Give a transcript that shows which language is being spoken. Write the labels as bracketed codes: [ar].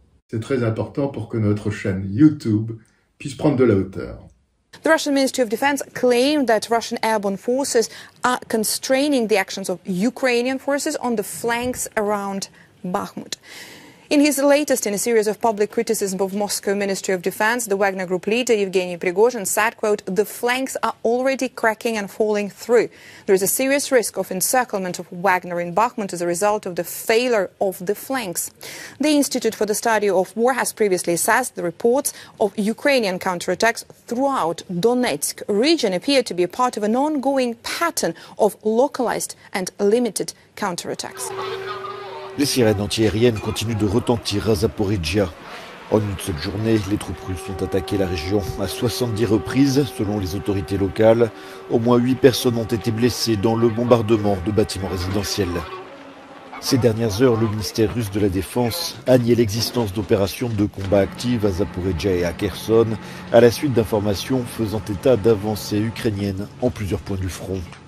[fr] C'est très important pour que notre chaîne YouTube puisse prendre de la hauteur. [en] The Russian Ministry of Defense claimed that Russian airborne forces are constraining the actions of Ukrainian forces on the flanks around Bakhmut. In his latest in a series of public criticism of Moscow Ministry of Defense, the Wagner Group leader Yevgeny Prigozhin said, quote, the flanks are already cracking and falling through. There is a serious risk of encirclement of Wagner in Bakhmut as a result of the failure of the flanks. The Institute for the Study of War has previously assessed the reports of Ukrainian counterattacks throughout Donetsk region appear to be a part of an ongoing pattern of localized and limited counterattacks. [fr] Les sirènes antiaériennes continuent de retentir à Zaporizhia. En une seule journée, les troupes russes ont attaqué la région à 70 reprises, selon les autorités locales. Au moins 8 personnes ont été blessées dans le bombardement de bâtiments résidentiels. Ces dernières heures, le ministère russe de la Défense a nié l'existence d'opérations de combat actives à Zaporizhia et à Kherson, à la suite d'informations faisant état d'avancées ukrainiennes en plusieurs points du front.